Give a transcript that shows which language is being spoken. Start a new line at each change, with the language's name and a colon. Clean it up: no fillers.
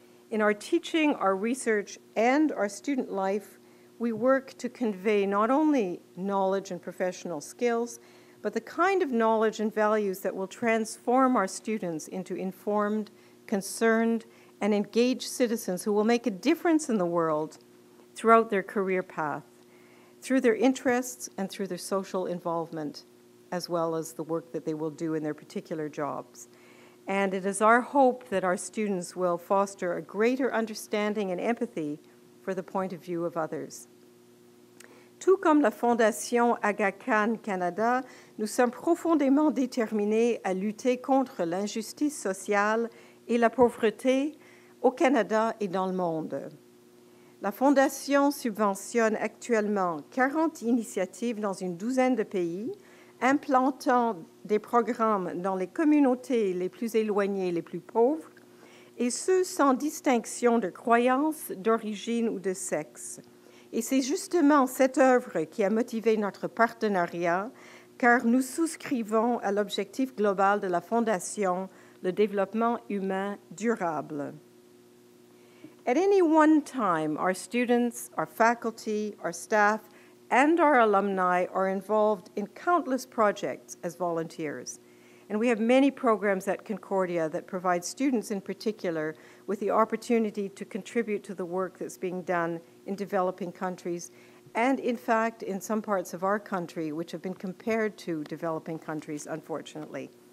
English: In our teaching, our research, and our student life, we work to convey not only knowledge and professional skills, but the kind of knowledge and values that will transform our students into informed, concerned, and engaged citizens who will make a difference in the world throughout their career path, through their interests and through their social involvement, as well as the work that they will do in their particular jobs. And it is our hope that our students will foster a greater understanding and empathy for the point of view of others.
French: Tout comme la Fondation Aga Khan Canada, nous sommes profondément déterminés à lutter contre l'injustice sociale et la pauvreté au Canada et dans le monde. La Fondation subventionne actuellement 40 initiatives dans une douzaine de pays, implantant des programmes dans les communautés les plus éloignées, les plus pauvres, et ce, sans distinction de croyance, d'origine ou de sexe. Et c'est justement cette œuvre qui a motivé notre partenariat, car nous souscrivons à l'objectif global de la Fondation, le développement humain durable.
English: At any one time, our students, our faculty, our staff, and our alumni are involved in countless projects as volunteers. And we have many programs at Concordia that provide students in particular with the opportunity to contribute to the work that's being done in developing countries, and in fact, in some parts of our country, which have been compared to developing countries, unfortunately.